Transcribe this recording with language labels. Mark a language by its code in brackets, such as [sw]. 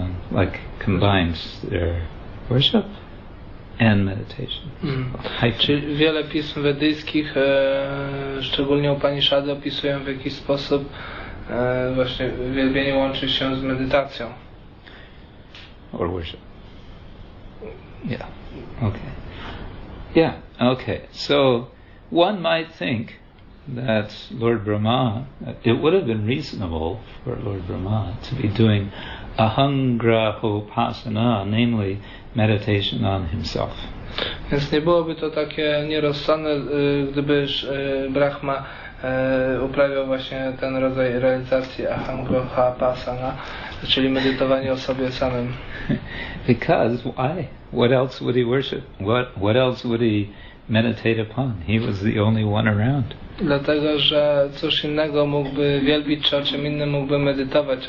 [en] like combines their worship and meditation. [pl] Wiele pism wedyjskich, szczególnie Upanishady, opisują w jakiś sposób Właśnie uwielbienie łączy się z medytacją. [en] Or worship. Yeah. Okay. Yeah. Okay. So one might think that Lord Brahma, it would have been reasonable for Lord Brahma to be doing ahangrahopasana, namely meditation on himself. [pl] Więc nie byłoby to takie nierozsądne, gdybyż Brahma uprawiał właśnie ten rodzaj realizacji ahangrahopasana, czyli medytowanie o sobie samym. [en] Because why? What else would he worship? What else would he meditate upon? He was the only one around. [pl] Dlatego, że cóż innego mógłby wielbić, czy o czym innym mógłby medytować.